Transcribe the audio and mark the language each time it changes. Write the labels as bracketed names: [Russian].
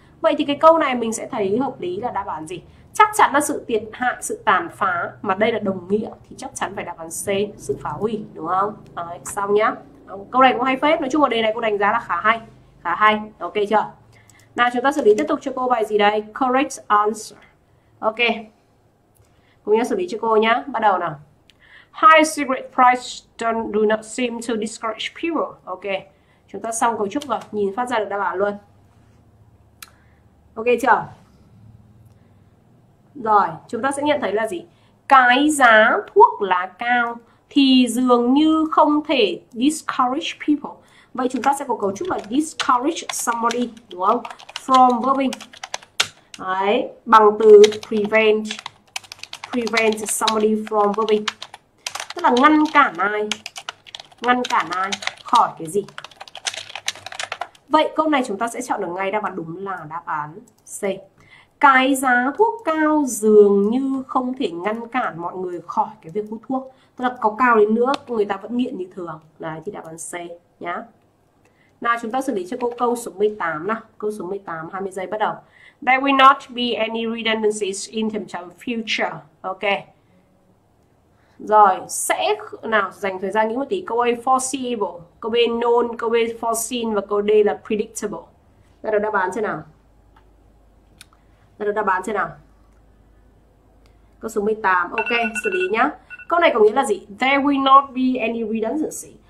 [Vietnamese] Vậy thì cái câu này mình sẽ thấy hợp lý là đáp án gì? Chắc chắn là sự thiệt hại, sự tàn phá, mà đây là đồng nghĩa thì chắc chắn phải đáp án C, sự phá hủy, đúng không? Đấy, xong nhá. Câu này cũng hay phết, nói chung là đề này cô đánh giá là khá hay, khá hay. Ok chưa? Nào chúng ta xử lý tiếp tục cho cô bài gì đây? [English] Correct answer. [Vietnamese] Ok. Cùng nhau xử lý cho cô nhá. Bắt đầu nào. [English] High cigarette price do not seem to discourage people. Ok. [Vietnamese] Chúng ta xong cấu trúc rồi, nhìn phát ra được đáp án luôn. Ok chưa? Rồi, chúng ta sẽ nhận thấy là gì? Cái giá thuốc là cao thì dường như không thể [English] discourage people. [Vietnamese] Vậy chúng ta sẽ có cấu trúc là [English] discourage somebody, [Vietnamese] đúng không? [English] From verbing. [Vietnamese] Đấy, bằng từ prevent. [English] Prevent somebody from verbing. [Vietnamese] Tức là ngăn cản ai? Ngăn cản ai khỏi cái gì? Vậy câu này chúng ta sẽ chọn được ngay đáp án đúng là đáp án C. Cái giá thuốc cao dường như không thể ngăn cản mọi người khỏi cái việc hút thuốc. Tức là có cao đến nữa người ta vẫn nghiện như thường. Đấy thì đáp án C nhá. Nào chúng ta xử lý cho cô câu số 18 nào. Câu số 18 20 giây bắt đầu. [English] There will not be any redundancies in the future. Ok. [Vietnamese] Rồi, sẽ nào dành thời gian nghĩ một tí. Câu A foreseeable, câu B known, câu B foreseen và câu D là predictable. Đây là đáp án thế nào? Đây là đáp án thế nào? Câu số 18, ok, xử lý nhá. Câu này có nghĩa là gì? [English] There will not be any redundancy.